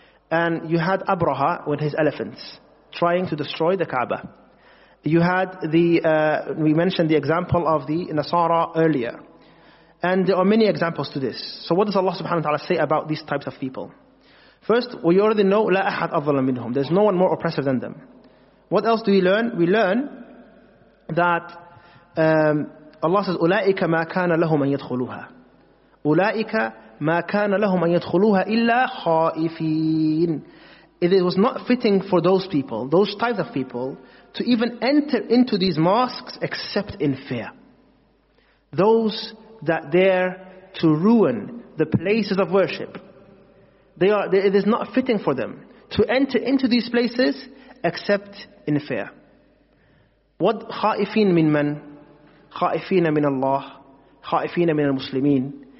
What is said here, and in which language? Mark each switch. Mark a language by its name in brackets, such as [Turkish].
[English] And you had Abraha with his elephants trying to destroy the Kaaba. You had the, we mentioned the example of the Nasara earlier. And there are many examples to this. So what does Allah subhanahu wa ta'ala say about these types of people? First, we already know, [Arabic] لا أحد أظلم منهم. [English] There's no one more oppressive than them. What else do we learn? We learn that Allah says, [Arabic] أولئك ما كان لهم أن يدخلوها. أولئك ما كان لهم أن يدخلوها إلا خائفين. [English] It was not fitting for those people, those types of people, to even enter into these mosques except in fear. Those that dare to ruin the places of worship, it is not fitting for them to enter into these places except in fear. What [Arabic] خائفين من من؟ خائفين من الله, خائفين من المسلمين.